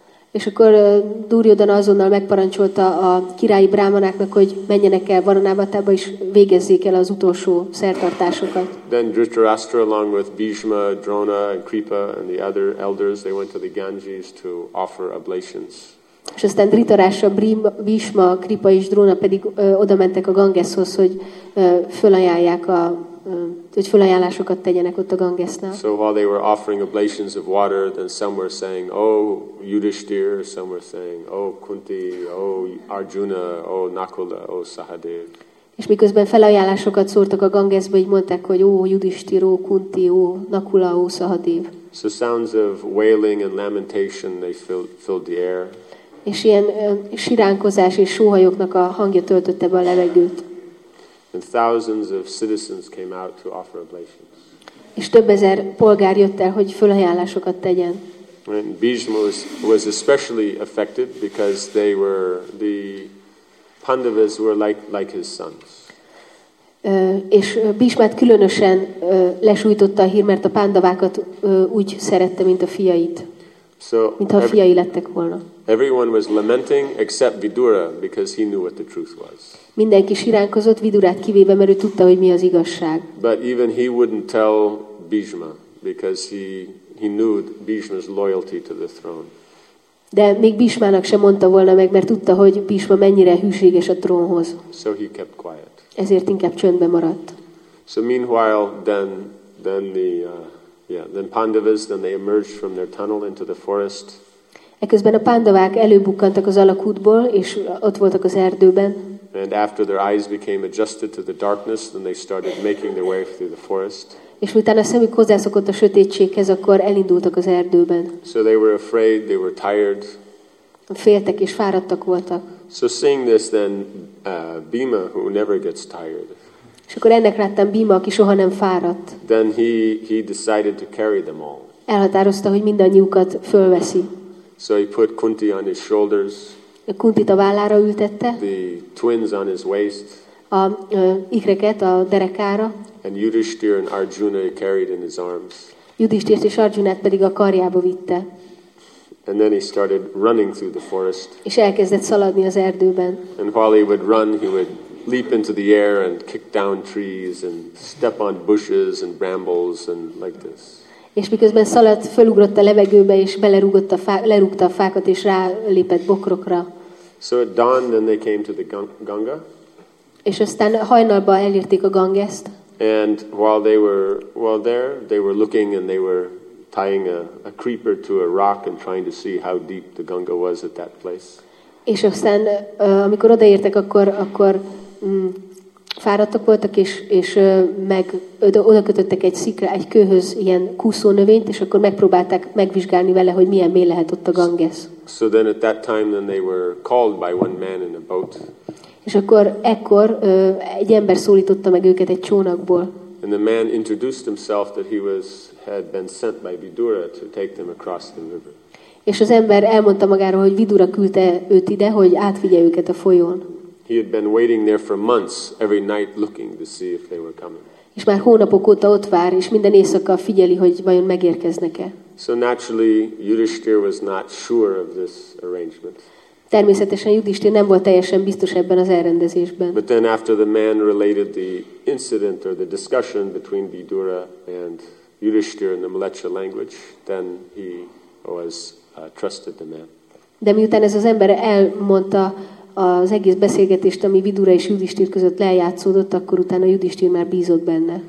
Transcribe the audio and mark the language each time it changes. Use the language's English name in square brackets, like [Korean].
[Hungarian] És akkor Duryodhana azonnal megparancsolta a királyi brámanáknak, hogy menjenek el Varanavatába, és végezzék el az utolsó szertartásokat. [English] Then Dhritarashtra, along with Bhishma, Drona, and Kripa, and the other elders, they went to the Ganges to offer oblations. [Hungarian] És aztán Dhritarashtra, Bhishma, Kripa és Drona pedig odamentek a Gangeshoz, hogy fölajánlják a hogy fölajánlásokat tegyenek ott a Gangesnál. [English] So while they were offering oblations of water, then some were saying, oh Yudhishthir, some were saying, oh Kunti, oh Arjuna, oh Nakula, oh Sahadev. [Hungarian] És miközben felajánlásokat szórtak a Gangesbe, így mondták, hogy ó Yudhishthir, ó Kunti, ó Nakula, ó Sahadev. [English] So sounds of wailing and lamentation, they filled the air. [Hungarian] És ilyen siránkozás és sóhajoknak a hangja töltötte be a levegőt. [English] And thousands of citizens came out to offer oblations. [Hungarian] És több ezer polgár jött el, hogy fölajánlásokat tegyen. [English] And Bhishma was especially affected because they were the Pandavas were like his sons. [Hungarian] És Bhishmát különösen lesújtotta a hír, mert a pándavákat úgy szerette, mint a fiait. [English] So [Hungarian] mintha a fiai lettek volna. [English] Everyone was lamenting except Vidura because he knew what the truth was. [Hungarian] Mindenki siránkozott Vidurát kivéve, mert ő tudta, hogy mi az igazság. [English] But even he wouldn't tell Bhishma because he knew Bhishma's loyalty to the throne. [Hungarian] De még Bhishmának sem mondta volna meg, mert tudta, hogy Bhishma mennyire hűséges a trónhoz. [English] So he kept quiet. [Hungarian] Ezért inkább csöndbe maradt. [English] So meanwhile then Pandavas then they emerged from their tunnel into the forest. [Hungarian] Eközben a pándavák előbukkantak az alagútból, és ott voltak az erdőben. [English] And after their eyes became adjusted to the darkness, then they started making their way through the forest. [Hungarian] És miután a szemük hozzászokott a sötétséghez, akkor elindultak az erdőben. [English] So they were afraid, they were tired. [Hungarian] Féltek és fáradtak voltak. [English] So seeing this, then Bhima, who never gets tired. [Hungarian] És akkor ennek láttam Bhima, aki soha nem fáradt. [English] Then he decided to carry them all. [Hungarian] Elhatározta, hogy mindannyiukat fölveszi. [English] So he put Kunti on his shoulders. [Hungarian] Kuntit a vállára ültette. [English] The twins on his waist. [Hungarian] A ikreket a derekára. [English] And Yudhishthir and Arjuna carried in his arms. [Hungarian] Yudhishthir és Arjunát pedig a karjába vitte. [English] And then he started running through the forest. [Hungarian] És elkezdett szaladni az erdőben. [English] And while he would run, he would leap into the air and kick down trees and step on bushes and brambles and like this. [Hungarian] És miközben szaladt, fölugrott a levegőbe, és belerúgott a lerúgta a fákat, és rálépett bokrokra. [English] So at dawn, then they came to the Ganga. [Hungarian] És aztán hajnalban elérték a Gangest. [English] And while they were there, they were looking and they were tying a creeper to a rock and trying to see how deep the Ganga was at that place. [Hungarian] És aztán, amikor odaértek, akkor fáradtak voltak, és meg oda kötöttek egy szikra, egy kőhöz ilyen kúszó növényt, és akkor megpróbálták megvizsgálni vele, hogy milyen mély lehet ott a Ganges. [English] So then at that time then they were called by one man in a boat. [Hungarian] És akkor ekkor egy ember szólította meg őket egy csónakból. [English] And the man introduced himself that he had been sent by Vidura to take them across the river. [Hungarian] És az ember elmondta magáról, hogy Vidura küldte őt ide, hogy átvigye őket a folyón. [English] He had been waiting there for months, every night looking to see if they were coming. [Hungarian] És már hónapok óta ott vár, és minden éjszaka figyeli, hogy vajon megérkeznek-e. [English] So naturally, Yudhishthira was not sure of this arrangement. [Hungarian] Természetesen Yudhishthira nem volt teljesen biztos ebben az elrendezésben. [English] But then after the man related the incident or the discussion between Vidura and Yudhishthira in the Mlecha language, then he was trusted the man. [Hungarian] De miután ez az ember elmondta az egész beszélgetést, ami Vidura és Yudhishthira között lejátszódott, akkor utána Yudhishthira már bízott benne.